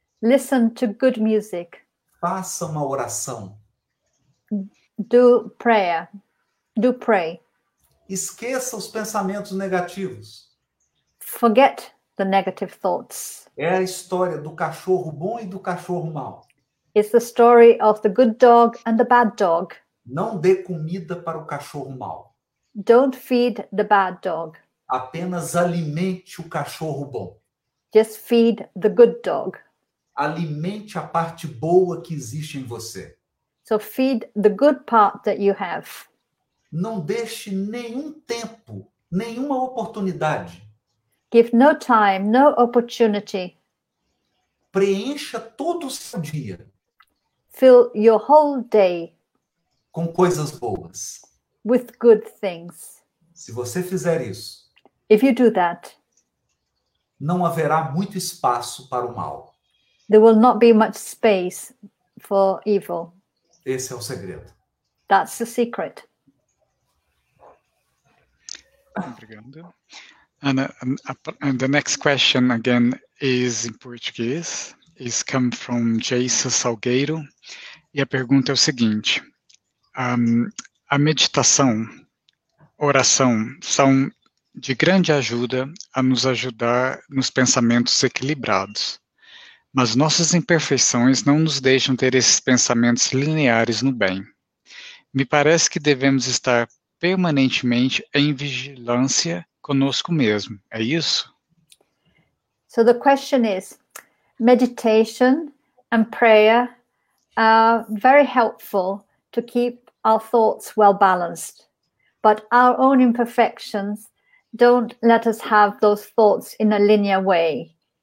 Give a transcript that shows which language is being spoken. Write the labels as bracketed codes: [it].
[en] Listen to good music. [pt] Faça uma oração. [en] Do prayer. Do pray. [pt] Esqueça os pensamentos negativos. [en] Forget the negative thoughts. [pt] É a história do cachorro bom e do cachorro mau. [en] It's the story of the good dog and the bad dog. [pt] Não dê comida para o cachorro mau. [en] Don't feed the bad dog. [pt] Apenas alimente o cachorro bom. [en] Just feed the good dog. [pt] Alimente a parte boa que existe em você. [en] So feed the good part that you have. [pt] Não deixe nenhum tempo, nenhuma oportunidade. [en] Give no time, no opportunity. [pt] Preencha todo o seu dia. [en] fill your whole day [pt] com coisas boas. [en] With good things. [pt] Se você fizer isso, [en] if you do that, [pt] não haverá muito espaço para o mal. [en] There will not be much space for evil. [pt] Esse é o segredo. [en] That's the secret. [pt] Obrigado. [en] And, and the next question again is in Portuguese. It's come from Jason Salgueiro. [pt] E a pergunta é o seguinte. A meditação, oração, são de grande ajuda a nos ajudar nos pensamentos equilibrados. Mas nossas imperfeições não nos deixam ter esses pensamentos lineares no bem. Me parece que devemos estar permanentemente em vigilância conosco mesmo. É isso? [en] So the question is, meditation and prayer are very helpful to keep our thoughts well balanced. But our own imperfections don't let us have those thoughts in a linear way.